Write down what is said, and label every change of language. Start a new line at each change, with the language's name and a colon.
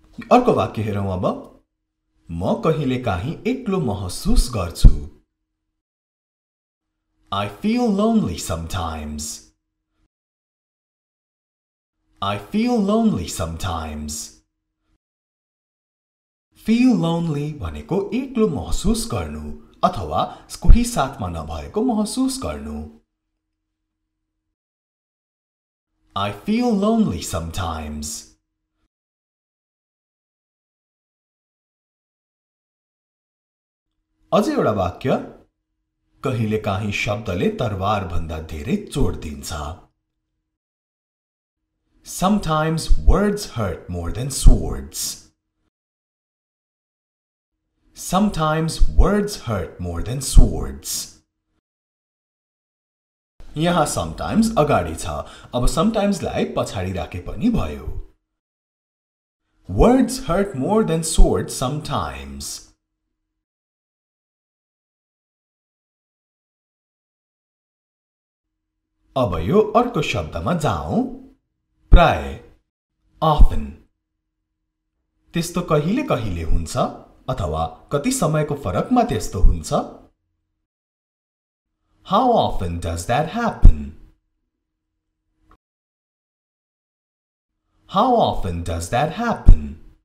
Nepali: Arko vakya herau aba. Ma kahile kahi eklo mahasus garchu.
English: I feel lonely sometimes. I feel lonely sometimes.
Nepali: Feel lonely भनेको एक्लो महसुस गर्नु अथवा कोही साथमा नभएको महसुस गर्नु.
English: I feel lonely sometimes.
Nepali: अझै एउटा वाक्य. कहिलेकाहीँ शब्दले तरवार भन्दा धेरै चोट दिन्छ.
English: Sometimes words hurt more than swords. Sometimes words hurt more than swords.
Nepali: यहाँ sometimes अगाडि छ. अब sometimes लाई पछाडि राखे पनि भयो.
English: Words hurt more than swords sometimes.
Nepali: अब यो अर्को शब्दमा जाऊँ. प्राय, often. त्यस्तो कहिले कहिले हुन्छ अथवा कति समयको फरकमा त्यस्तो हुन्छ.
English: How often does that happen? How often does that happen?